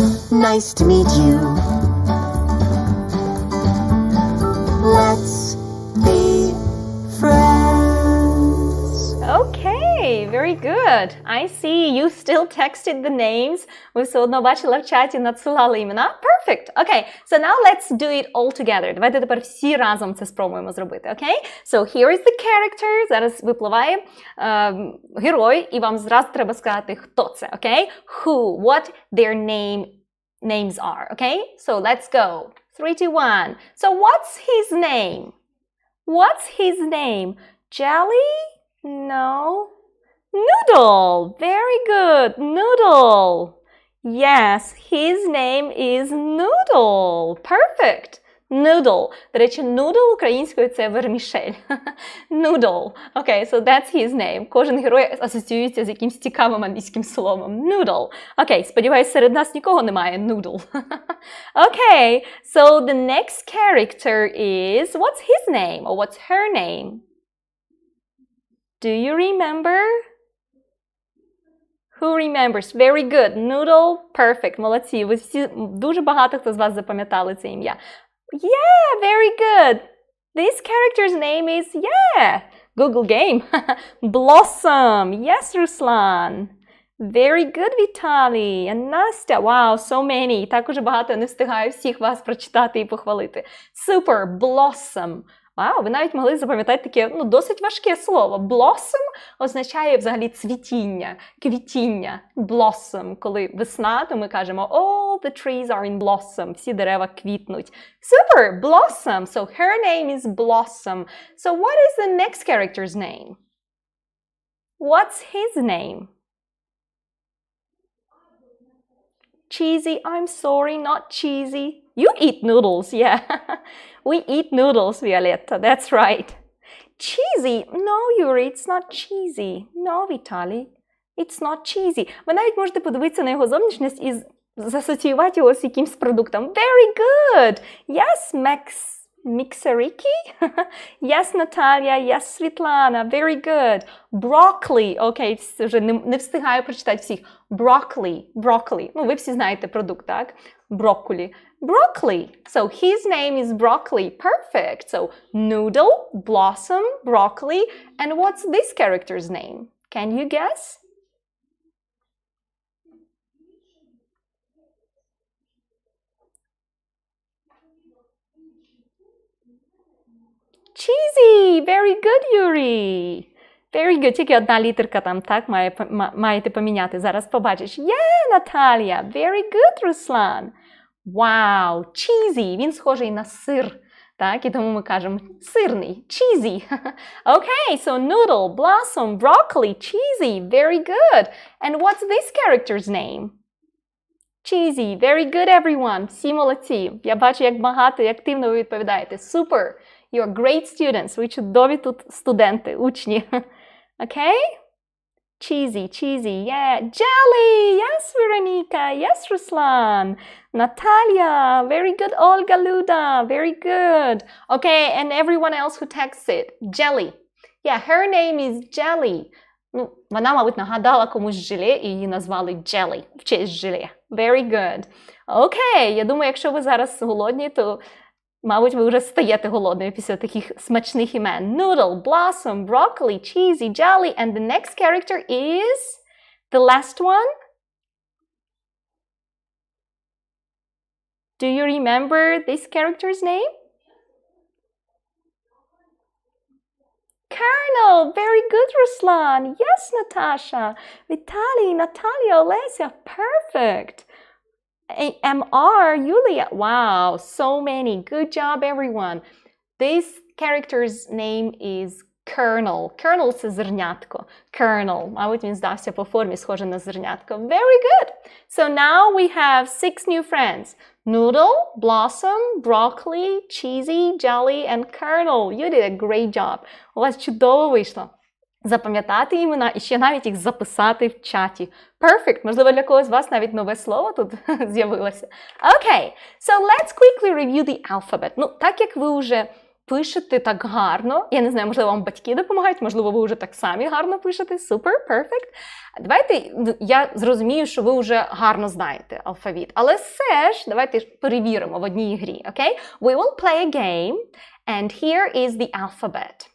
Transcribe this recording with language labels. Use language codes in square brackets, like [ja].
[en] Nice to meet you. Let's be friends. Okay, very good. I see you still texted the names. [uk] Ви все одно бачили в чаті, надсилали імена. [en] Perfect. Okay, so now let's do it all together. [uk] Давайте тепер всі разом це спробуємо зробити, okay? [en] So here is the character. [uk] Зараз випливає герой, і вам зразу треба сказати, хто це, okay? [en] Who, what their name is. Names are, okay? So let's go. 3, 2, 1. So what's his name? What's his name? Jelly? No. Noodle. Very good. Noodle. Yes, his name is Noodle. Perfect. Noodle. [uk] До речі, noodle українською це вермішель. [en] Noodle. Okay, so that's his name. [uk] Кожен герой асоціюється з якимсь цікавим англійським словом. [en] Noodle. [uk] Okay, сподіваюся, серед нас нікого немає. [en] Noodle. Okay, so the next character is... What's his name? Or what's her name? Do you remember? Who remembers? Very good. Noodle. Perfect. [uk] Молодці. Ви всі, дуже багато хто з вас запам'ятали це ім'я. [en] Yeah, very good. This character's name is, yeah, Google game. Blossom. Yes, Ruslan. Very good, Vitaly. And Nastya. Wow, so many. [uk] Так уже багато не встигаю всіх вас прочитати і похвалити. [en] Super, Blossom. [uk] Вау, ви навіть могли запам'ятати таке, ну, досить важке слово. Blossom означає взагалі цвітіння, квітіння. [en] Blossom. [uk] Коли весна, то ми кажемо [en] all the trees are in blossom. [uk] Всі дерева квітнуть. [en] Super! Blossom. So her name is Blossom. So what is the next character's name? What's his name? Cheesy. I'm sorry, not cheesy. You eat noodles, yeah. We eat noodles, Violetta, that's right. Cheesy? No, Yuri, it's not cheesy. No, Vitaly, it's not cheesy. [uk] Ви навіть можете подивитися на його зовнішність і засоціювати його з якимсь продуктом. [en] Very good! Yes, Max Mixeriki? Yes, Natalia, yes, Svetlana, very good. [uk] Broccoli, okay, вже не встигаю прочитати всіх. [en] Broccoli, broccoli. [uk] Ну, ви всі знаєте продукт, так? [en] Broccoli. Broccoli. So his name is Broccoli. Perfect. So Noodle, Blossom, Broccoli. And what's this character's name? Can you guess? Cheesy. Very good, Yuri. Very good. [uk] Тільки одна літерка там, так, маєте поміняти. Зараз побачиш. [en] Yeah, Natalia. Very good, Ruslan. Wow, cheesy. [uk] Він схожий на сир, так? І тому ми кажемо сирний, cheesy. [en] Okay, so noodle, blossom, broccoli, cheesy. Very good. And what's this character's name? Cheesy. Very good, everyone. [uk] Всі молодці. Я бачу, як багато і активно ви відповідаєте. [en] Super. You're great students. [uk] Ви чудові тут студенти, учні. [en] Okay? Cheesy, cheesy, yeah. Jelly, yes, Veronica, yes, Ruslan. Natalia, very good, Olga Luda, very good. Okay, and everyone else who texts it, Jelly. Yeah, her name is Jelly. [uk] Ну, вона, мабуть, нагадала комусь желе, і її назвали Jelly, в честь желе. [en] Very good. [uk] Okay, я думаю, якщо ви зараз голодні, то, мабуть, ви вже стаєте голодними після таких смачних імен. [en] Noodle, blossom, broccoli, cheesy, jelly. And the next character is the last one. Do you remember this character's name? Colonel, very good, Ruslan. Yes, Natasha. Vitaly, Natalia, Olesya, perfect. MR, Yulia, wow, so many. Good job, everyone. This character's name is Colonel. [uk] Colonel – це зернятко. [en] Colonel. [uk] Мабуть, він здався по формі, схоже на зернятко. [en] Very good. So now we have 6 new friends. Noodle, Blossom, Broccoli, Cheesy, Jelly, and Colonel. You did a great job. [uk] У вас чудово вийшло. запам'ятати імена і ще навіть їх записати в чаті. [en] Perfect! [uk] Можливо, для когось з вас навіть нове слово тут з'явилося. [en] Okay, so let's quickly review the alphabet. [uk] Ну, так як ви вже пишете так гарно, я не знаю, можливо, вам батьки допомагають, можливо, ви вже так самі гарно пишете. [en] Super, perfect. [uk] Давайте, я зрозумію, що ви вже гарно знаєте алфавіт, але все ж, давайте перевіримо в одній грі, okay? [en] We will play a game, and here is the alphabet.